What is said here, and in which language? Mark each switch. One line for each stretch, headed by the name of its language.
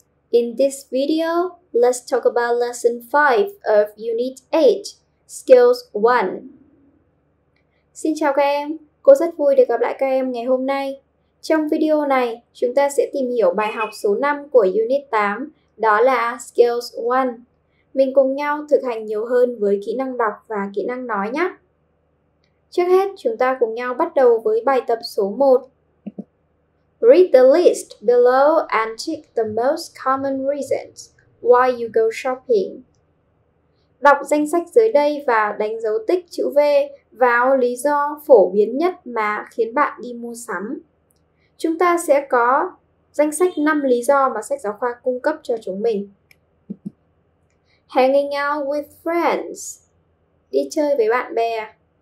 English: In this video, let's talk about lesson 5 of unit 8, skills 1.
Vietnamese: Xin chào các em, cô rất vui được gặp lại các em ngày hôm nay. Trong video này, chúng ta sẽ tìm hiểu bài học số 5 của unit 8, đó là skills 1. Mình cùng nhau thực hành nhiều hơn với kỹ năng đọc và kỹ năng nói nhé. Trước hết, chúng ta cùng nhau bắt đầu với bài tập số 1.
English: Read the list below and tick the most common reasons why you go shopping.
Vietnamese: Đọc danh sách dưới đây và đánh dấu tích chữ V vào lý do phổ biến nhất mà khiến bạn đi mua sắm. Chúng ta sẽ có danh sách 5 lý do mà sách giáo khoa cung cấp cho chúng mình. Hanging out with friends. Đi chơi với bạn bè.